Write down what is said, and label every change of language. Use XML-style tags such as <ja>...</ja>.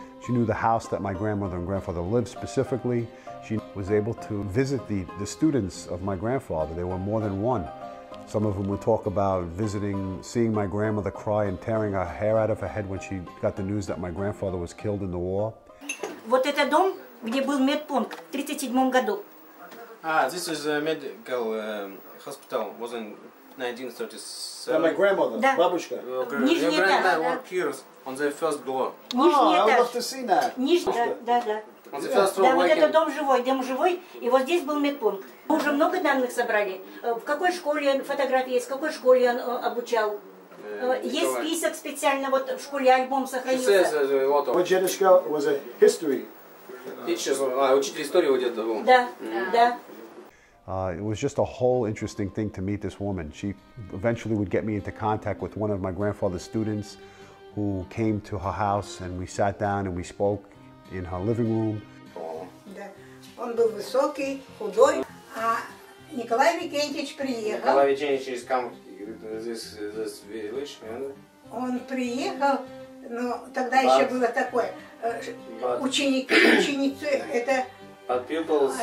<en>She knew the house that my grandmother and grandfather lived specifically. She was able to visit the students of my grandfather. There were more than one. Some of them would talk about visiting, seeing my grandmother cry and tearing her hair out of her head when she got the news that my grandfather was killed in the war.</en> <ru>Вот это дом, где был медпункт в 37 году.</ru> <en>Ah, this is a medical hospital. Was in 1937. Yeah, my grandmother,</en> <ru>да. Бабушка. Нижний этаж.</ru> <en>Yeah, right, yeah. Yeah. On the first floor.</en> <ru>Нижний этаж.</ru> <en>Oh, I would love to see that.</en> <ru>Нижний, да, да. Да, вот этот дом живой, дом живой, и вот здесь был медпункт. Мы уже много данных собрали. В какой школе он фотографии есть, в какой школе он обучал. Есть список специально, вот в школе альбом сохранился. Мой дедушка</ru> <en>was a history teacher,</en> <ru>учитель истории у деда был. Да, да.</ru> <en>It was just a whole interesting thing to meet this woman. She eventually would get me into contact with one of my grandfather's students who came to her house, and we sat down and we spoke in her living room.</en> <ru>Да. Он был высокий, худой. А Николай Викентьевич приехал.</ru> <en>Николай Викентьевич</en> <ru>из</ru> <en>this village, yeah?</en> <ru>Он приехал, но тогда еще было такое. Ученики, ученицы, это</ru> <en>pupils,</en>